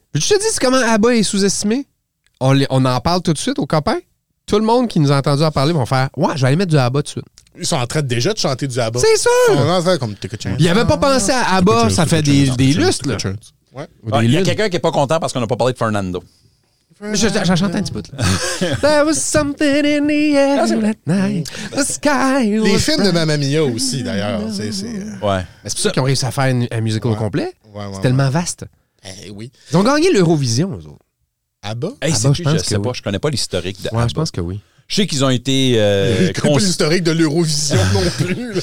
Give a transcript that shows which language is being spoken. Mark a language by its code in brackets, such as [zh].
[fr] Je te dis comment ABBA est sous-estimé. On en parle tout de suite aux copains. Tout le monde qui nous a entendu en parler vont faire ouais, je vais aller mettre du ABBA tout de suite. Ils sont en train déjà de chanter du ABBA. C'est sûr! Ils sont en train de comme Ticket Chance. Ils n'avaient pas pensé à ABBA, ça fait des lustres, là. Ouais. Il y a quelqu'un qui n'est pas content parce qu'on n'a pas parlé de Fernando. J'en chante un petit bout, là. [en] There was something in the air that night. The sky was. [fr] Les films de Mamma Mia aussi, d'ailleurs. Ouais. Mais c'est pour ça qu'ils ont réussi à faire un musical complet. Ouais. C'est tellement vaste. Eh oui. Ils ont gagné l'Eurovision, eux autres. ABBA? Je sais pas, je connais pas l'historique de ABBA. Ouais, je pense que oui. Je sais qu'ils ont été... pas l'historique de l'Eurovision non plus.